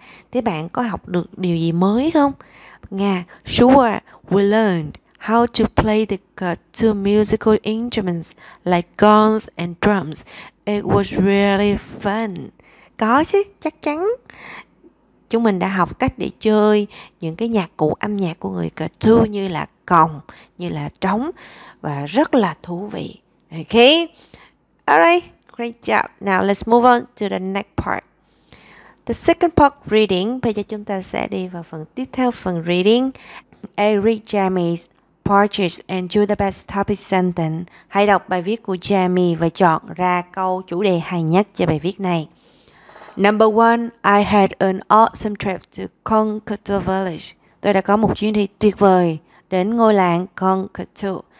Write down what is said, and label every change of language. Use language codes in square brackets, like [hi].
[vi] Thế bạn có học được điều gì mới không? [en] Nga, sure, we learned how to play the two musical instruments like gongs and drums. It was really fun. [vi] Có chứ, chắc chắn. Chúng mình đã học cách để chơi những cái nhạc cụ âm nhạc của người Gatu như là còng, như là trống, và rất là thú vị. [en] Ok, alright, great job. Now let's move on to the next part. The second part reading, [vi] bây giờ chúng ta sẽ đi vào phần tiếp theo, phần reading. [en] I read Jamie's poetry and choose the best topic sentence. [vi] Hãy đọc bài viết của Jamie và chọn ra câu chủ đề hay nhất cho bài viết này. [en] Number one, I had an awesome trip to Kong Kato Village. [vi] Tôi đã có một chuyến đi tuyệt vời đến ngôi làng Kong Kato.